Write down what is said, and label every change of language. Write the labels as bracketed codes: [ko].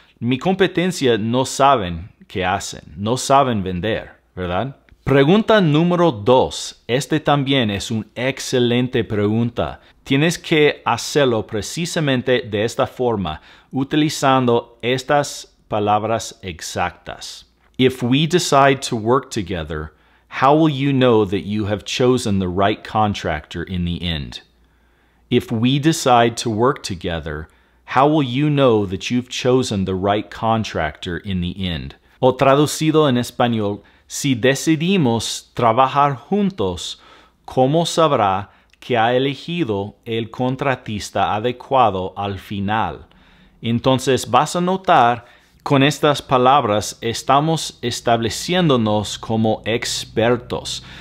[es] Mi competencia no saben qué hacen, no saben vender, ¿verdad? Pregunta número 2. Este también es una excelente pregunta. Tienes que hacerlo precisamente de esta forma, utilizando estas palabras exactas. [en] If we decide to work together, how will you know that you have chosen the right contractor in the end? If we decide to work together, how will you know that you've chosen the right contractor in the end? [es] O traducido en español, si decidimos trabajar juntos, ¿cómo sabrá que ha elegido el contratista adecuado al final? Entonces vas a notar, con estas palabras estamos estableciéndonos como expertos.